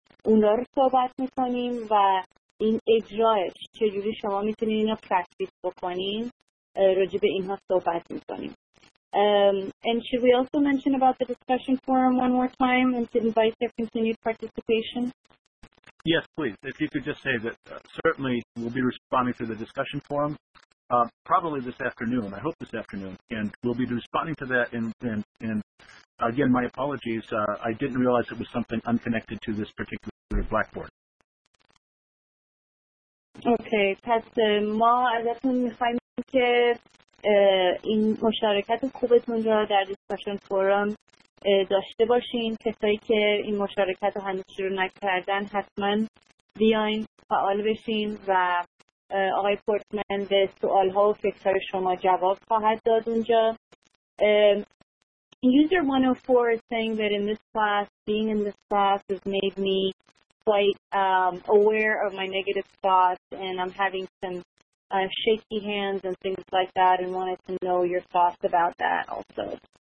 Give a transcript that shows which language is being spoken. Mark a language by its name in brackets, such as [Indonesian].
[Persian] اونا رو صحبت میکنیم و این اجرایش چجوری شما میتونید اینو پرکتیس بکنین راجع به اینها صحبت میکنیم. [English] And should we also mention about the discussion forum one more time and to invite their continued participation? Yes, please. If you could just say that certainly we'll be responding to the discussion forum probably this afternoon. I hope this afternoon. And we'll be responding to that and again, my apologies. I didn't realize it was something unconnected to this particular blackboard. Okay. [Persian] پس ما ازتون میخوایم که این مشارکت خوبتون را در discussion forum داشته باشین. کسایی که این مشارکت رو هنوز شروع نکردن حتما بیاین فعال بشین و آقای پورتمن به سوال ها و فکرهای شما جواب خواهد داد اونجا. [English] User 104 is saying that in this class, being in this class has made me quite aware of my negative thoughts, and I'm having some shaky hands and things like that, and wanted to know your thoughts about that also.